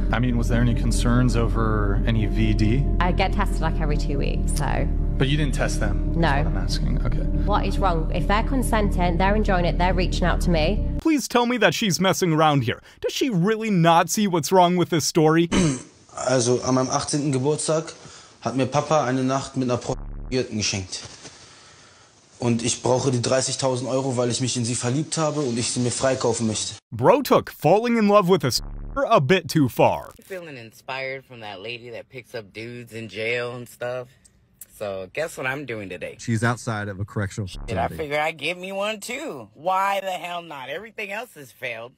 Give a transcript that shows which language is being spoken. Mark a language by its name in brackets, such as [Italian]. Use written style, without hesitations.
[English] I mean, was there any concerns over any VD? I get tested like every 2 weeks, so... But you didn't test them? No. That's what I'm asking. Okay. What is wrong? If they're consenting, they're enjoying it, they're reaching out to me. Please tell me that she's messing around here. Does she really not see what's wrong with this story? [German] Also, an meinem 18. Geburtstag hat mir Papa eine Nacht mit einer Prostituierten geschenkt. Und ich brauche die 30.000 Euro, weil ich mich in sie verliebt habe und ich sie mir freikaufen möchte. [English] Bro took falling in love with a bit too far. Feeling inspired from that lady that picks up dudes in jail and stuff. So guess what I'm doing today? She's outside of a correctional facility. Did I figure I'd give me one too? Why the hell not? Everything else has failed.